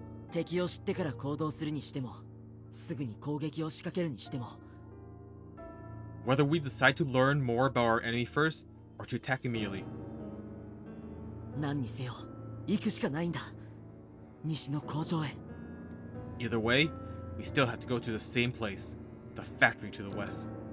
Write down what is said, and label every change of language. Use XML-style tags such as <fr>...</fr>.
<ja>敵を知ってから行動するにしても、すぐに攻撃を仕掛けるにしても。</ja> <en>Whether we decide to learn more about our enemy first, or to attack immediately.</en> <ja>何にせよ、行くしかないんだ。西の工場へ。</ja> <en>Either way, we still have to go to the same place, the factory to the west.</en>